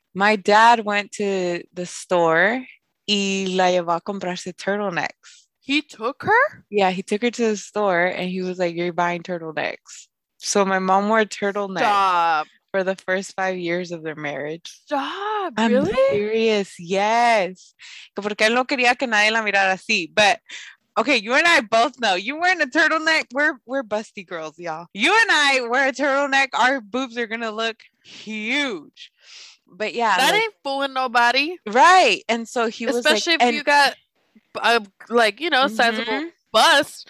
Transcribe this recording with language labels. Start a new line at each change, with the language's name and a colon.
English: My dad went to the store
Spanish: y la llevó a comprarse
English: turtlenecks. He took her? Yeah, he took her to the store and he was like, you're buying turtlenecks. So my mom wore turtlenecks. Stop. For the first 5 years of their marriage. Stop. Really? I'm serious. Yes.
Spanish: Porque él no quería que nadie la mirara así.
English: But okay, you and I both know. You wearing a turtleneck. We're busty girls, y'all. You and I wear a turtleneck. Our boobs are going to look huge. But yeah. That like, ain't fooling nobody. Right. And so he was especially like, if you got like, you know, sizable mm-hmm. bust.